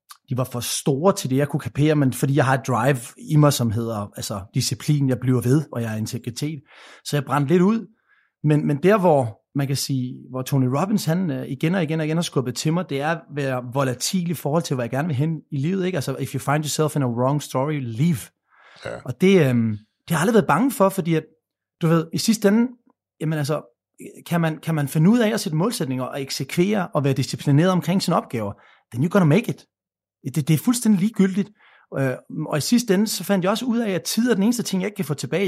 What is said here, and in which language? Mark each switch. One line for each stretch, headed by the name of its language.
Danish: De var for store til det, jeg kunne kapere, men fordi jeg har et drive i mig, som hedder altså, disciplin, jeg bliver ved, og jeg er integritet. Så jeg brændte lidt ud. Men der, hvor man kan sige, hvor Tony Robbins han igen og igen og igen har skubbet til mig, det er at være volatil i forhold til, hvad jeg gerne vil hen i livet. Ikke?
English: Altså, if you find yourself in a wrong story, leave.
Danish: Ja. Og det har jeg aldrig været bange for, fordi at, du ved, i sidste ende, jamen altså, kan man finde ud af at sætte målsætninger og eksekvere og være disciplineret omkring sine opgaver,
English: then you're gonna make it.
Danish: Det er fuldstændig ligegyldigt, og i sidste ende, så fandt jeg også ud af, at tid er den eneste ting, jeg ikke kan få tilbage.